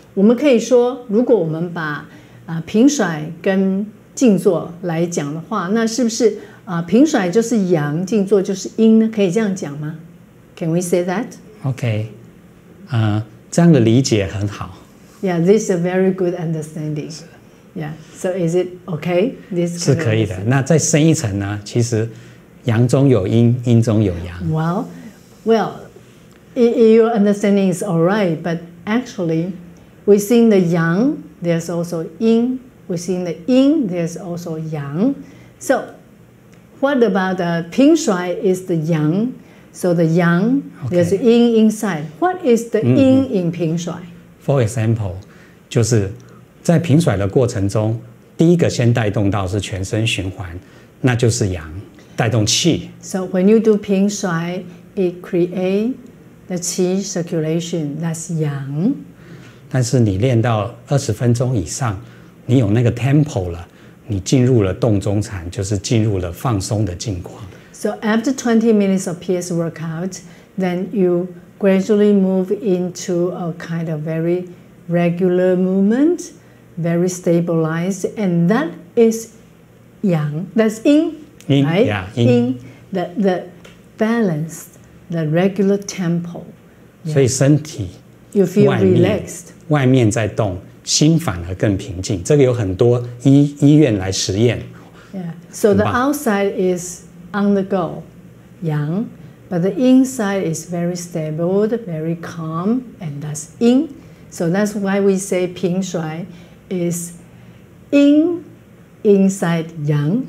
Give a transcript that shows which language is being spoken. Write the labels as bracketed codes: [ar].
[zh] 我们可以说，如果我们把平甩跟静坐来讲的话，那是不是平甩就是阳，静坐就是阴呢？可以这样讲吗？ [en] Can we say that? [zh] Okay. 这样的理解很好。 [en] Yeah, this is a very good understanding. Yeah, so is it okay? This [zh] 是可以的。那再深一层呢？其实，阳中有阴，阴中有阳。 [en] Well, your understanding is all right, but actually, within the yang, there's also yin. Within the yin, there's also yang. So, what about the 平甩 is the yang? So the yang, there's yin inside. What is the yin in 平甩? For example, [zh] 就是。在平甩的过程中，第一个先带动到是全身循环，那就是阳，带动气。 [en] So when you do 平甩 it create the 气 circulation, that's 阳。 [zh] 但是你练到20分钟以上，你有那个 tempo 了，你进入了动中禅，就是进入了放松的境况。 [en] So after 20 minutes of PS workout, then you gradually move into a kind of very regular movement,very stabilized, and that is yang, that's yin, right? Yeah, yin. The balanced, the regular tempo. Yeah. [zh] 所以身体 [en] you feel relaxed. [zh] 外面在动，心反而更平静。这个有很多医院来实验。 [en] Yeah. So the outside is on the go, yang, but the inside is very stabled, very calm, and that's yin. So that's why we say 平甩is yin inside yang.